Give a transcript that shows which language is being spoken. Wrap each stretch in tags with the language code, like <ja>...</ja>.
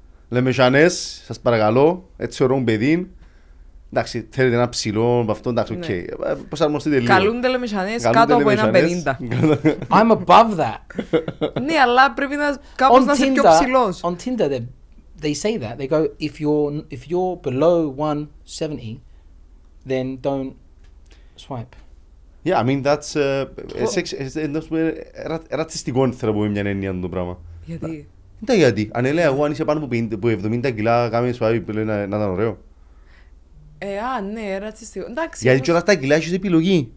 <el>Lemesianes, σας παρακαλώ, έτσι ωραίο παιδί. Εντάξει, θέλετε ένα ψηλό, αυτό εντάξει, οκ. Πώς αρμοστείτε λίγο. Καλούνται λεμεσανές κάτω από 1.50.</el> <en>I'm above that. Ναι, αλλά πρέπει να κάπως να είσαι πιο ψηλός. On Tinder, they say that. They go, if you're below 170, then don't swipe. Yeah, I mean, that's...</en> <el>ρατσιστικό θέλω από μια έννοια το πράγμα. Γιατί. Ήταν γιατί. Αν έλεγα εγώ, αν είσαι πάνω από 70 κιλά, κάμε swipe, λέει να ήταν ωραίο. Ναι, ρατσιστικό. Εντάξει. Γιατί όλα αυτά κιλά έχεις επιλογή.</el>